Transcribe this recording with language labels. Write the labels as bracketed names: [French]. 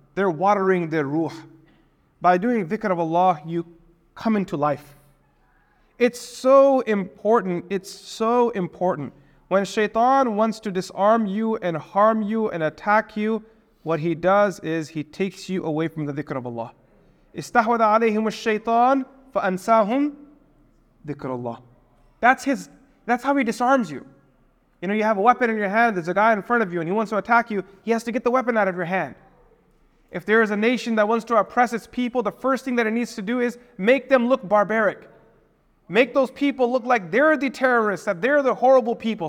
[English] They're watering their ruh. By doing dhikr of Allah, you come into life. It's so important. It's so important. When shaitan wants to disarm you and harm you and attack you, what he does is he takes you away from the dhikr of Allah. [Arabic] استحوذ عليهم الشيطان فأنساهم ذكر الله. [English] That's how he disarms you. You know, you have a weapon in your hand, there's a guy in front of you and he wants to attack you, he has to get the weapon out of your hand. If there is a nation that wants to oppress its people, the first thing that it needs to do is make them look barbaric. Make those people look like they're the terrorists, that they're the horrible people.